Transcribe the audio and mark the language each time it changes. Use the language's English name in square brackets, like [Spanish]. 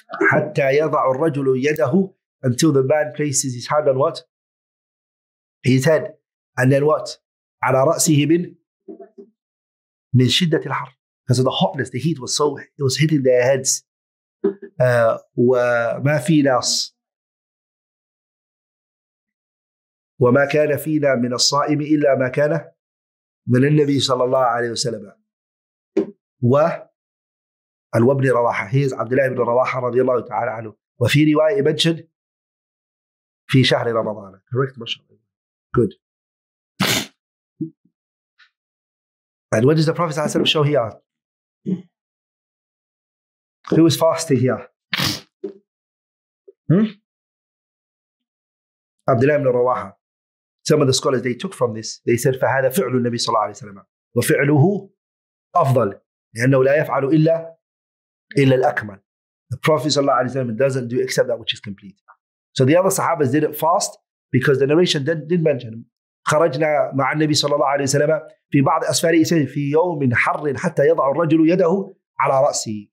[Arabic] حتى يضع الرجل يده [English] until the man places his hand on what? His head. And then what? [Arabic] على رأسه من شدة الحر. [English] Because of the hotness, the heat was so, it was hitting their heads. [Arabic] وما فينا وما كان فينا من الصائم إلا ما كان من النبي صلى الله عليه وسلم و الوبن رواحة. هيز عبد الله بن رواحة رضي الله تعالى عنه. وفي رواية مجد في شهر رمضان. [English] Correct, mashallah. Good. And what does the Prophet ﷺ show here? Who is fasting here? Abdullah ibn Rawaha. Some of the scholars they took from this. They said, [Arabic] فَهَذَا فِعْلُ النَّبِي صَلَّى اللَّهُ عَلَيْهِ وَسَلَّمَ وَفِعْلُهُ أَفْضَلُ لِأَنَّهُ لَا يَفْعَلُ إِلَّا الْأَكْمَلُ. [English] The Prophet sallallahu alayhi wa sallam doesn't do except that which is complete. So the other Sahabas didn't fast because the narration didn't mention him. [Arabic] خرجنا مع النبي صلى الله عليه وسلم في بعض أسفاره في يوم حر حتى يضع الرجل يده على رأسه.